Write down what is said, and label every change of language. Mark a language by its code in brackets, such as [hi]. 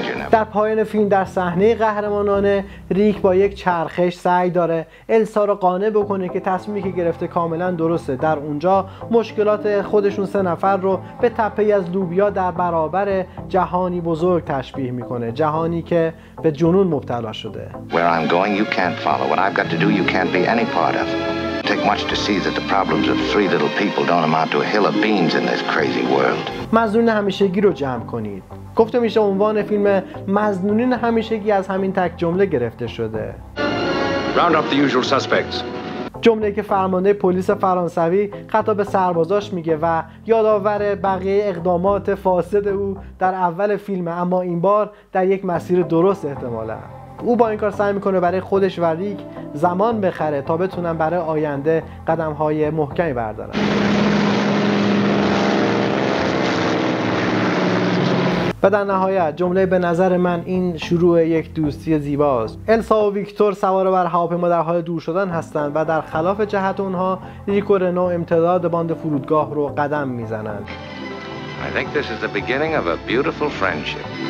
[fa] در پایان فیلم در صحنه قهرمانانه ریک با یک چرخش سعی داره السا رو قانع بکنه که تصمیمی که گرفته کاملا درسته. در اونجا مشکلات خودشون سه نفر رو به تپه‌ای از لوبیا در برابر جهانی بزرگ تشبیه میکنه، جهانی که به جنون مبتلا شده. [en] Where I'm going you can't follow. What I've got to do you can't be any part of. Take much to see that the problems of three little people don't amount to a hill of beans in this crazy world. [fa] مظنون همیشگی رو جمع کنید. گفته میشه عنوان فیلم مظنونین همیشگی از همین تک جمله گرفته شده. [en] Round up the usual suspects. [fa] جمله که فرمانده پلیس فرانسوی خطاب به سربازاش میگه و یادآور بقیه اقدامات فاسد او در اول فیلم، اما این بار در یک مسیر درست احتماله. او با این کار سعی میکنه برای خودش و ریک زمان بخره تا بتونن برای آینده قدم‌های محکمی بردارن. و در نهایت جمله به نظر من این شروع یک دوستی زیباست. السا و ویکتور سوار بر هواپیما در حال دور شدن هستند و در خلاف جهت اونها ریک و رنو امتداد باند فرودگاه رو قدم میزنند. [en] I think this is the beginning of a beautiful friendship.